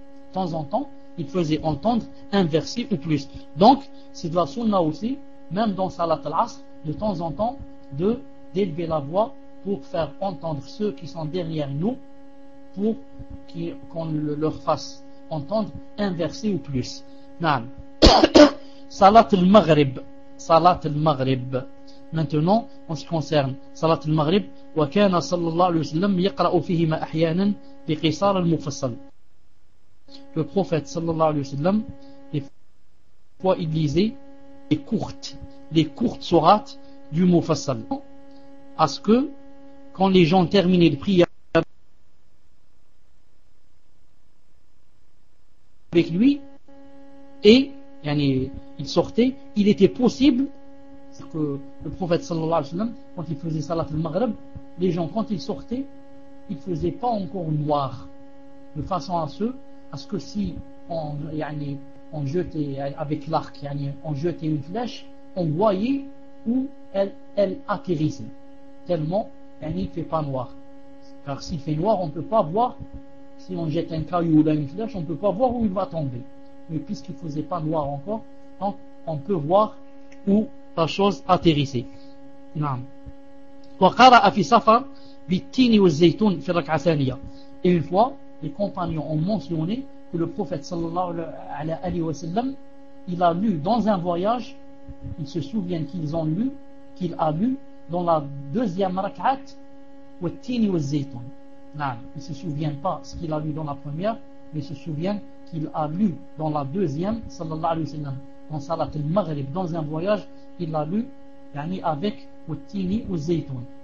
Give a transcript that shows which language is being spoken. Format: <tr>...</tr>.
<fr>De temps en temps, il faisait entendre un verset ou plus. Donc, c'est de la sunna aussi, même dans Salat al-Asr, de temps en temps, d'élever la voix pour faire entendre ceux qui sont derrière nous, pour qu'on leur fasse entendre un verset ou plus. Naam. Salat al-Maghrib. Salat al-Maghrib. Maintenant, en ce qui concerne Salat al-Maghrib,</fr> <ar>وكان صلى الله عليه وسلم يقرأ فيهما أحيانا بقصار المفصل.</ar> <fr>Le prophète صلى الله عليه وسلم, des fois il lisait les courtes sourates du Mufassal. À ce que, quand les gens terminaient de prier avec lui, et yani, il sortait, il était possible que le prophète صلى الله عليه وسلم, quand il faisait Salat al-Maghrib, les gens, quand ils sortaient, ils ne faisaient pas encore noir, de façon à ce que si on jetait avec l'arc, yani, on jetait une flèche, on voyait où elle atterrissait, tellement yani, il ne fait pas noir. Car s'il fait noir, on ne peut pas voir, si on jette un caillou ou une flèche, on ne peut pas voir où il va tomber. Mais puisqu'il ne faisait pas noir encore, donc on peut voir où la chose atterrissait. Non.</fr> <ar>وقرأ في صفر بالتين والزيتون في الركعة الثانية.</ar> <fr>Et une fois, les compagnons ont mentionné que le prophète sallallahu alayhi wa sallam, il a lu dans un voyage, ils se souviennent qu'il a lu dans la deuxième rak'at, والتين والزيتون. Non, ils ne se souviennent pas ce qu'il a lu dans la première, mais ils se souviennent qu'il a lu dans la deuxième, sallallahu alayhi wa sallam, dans Salat al-Maghrib, dans un voyage, il a lu, yani avec Wattini ou Zaytoun.</fr>